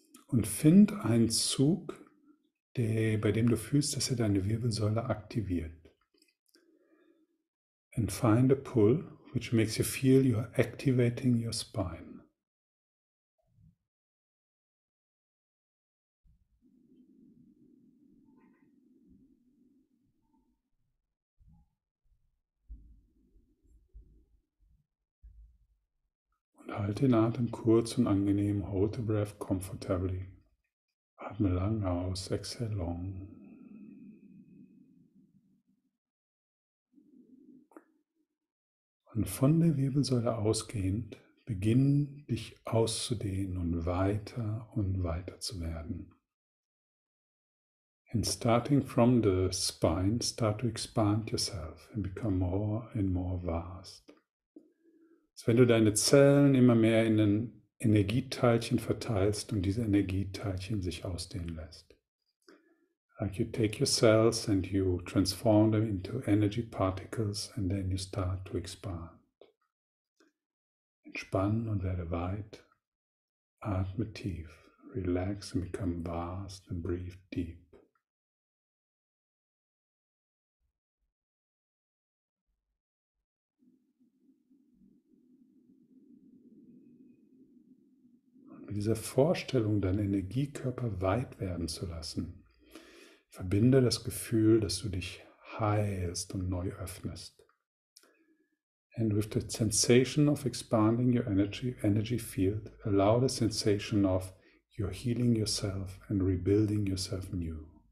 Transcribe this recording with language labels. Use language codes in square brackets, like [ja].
[de] Und find einen Zug, bei dem du fühlst, dass er deine Wirbelsäule aktiviert. [en] And find a pull, which makes you feel you are activating your spine. [de] Und halte den Atem kurz und angenehm. Hold the breath comfortably. Atme lang aus. Exhale long. Und von der Wirbelsäule ausgehend, beginn dich auszudehnen und weiter zu werden. [en] And starting from the spine, start to expand yourself and become more and more vast. [de] So wenn du deine Zellen immer mehr in den Energieteilchen verteilst und diese Energieteilchen sich ausdehnen lässt. [en] Like you take your cells and you transform them into energy particles and then you start to expand. [de] Entspannen und werde weit. Atme tief. [en] Relax and become vast and breathe deep. [de] Mit dieser Vorstellung, deinen Energiekörper weit werden zu lassen, verbinde das Gefühl, dass du dich heilst und neu öffnest. [en] And with the sensation of expanding your energy field, allow the sensation of you're healing yourself and rebuilding yourself new.